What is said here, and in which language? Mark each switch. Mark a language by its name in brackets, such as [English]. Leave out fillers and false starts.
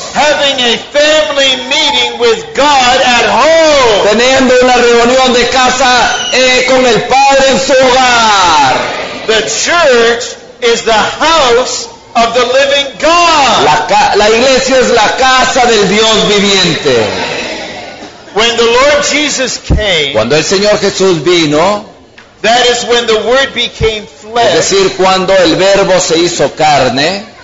[English] Having a family meeting with God at home. [Spanish] Teniendo una reunión de casa con el Padre en su hogar. [English] The church is the house of the living God. [Spanish] La iglesia es la casa del Dios viviente. [English] When the Lord Jesus came, [Spanish] cuando el Señor Jesús vino, [English] that is when the Word became flesh. [Spanish] Es decir, cuando el Verbo se hizo carne,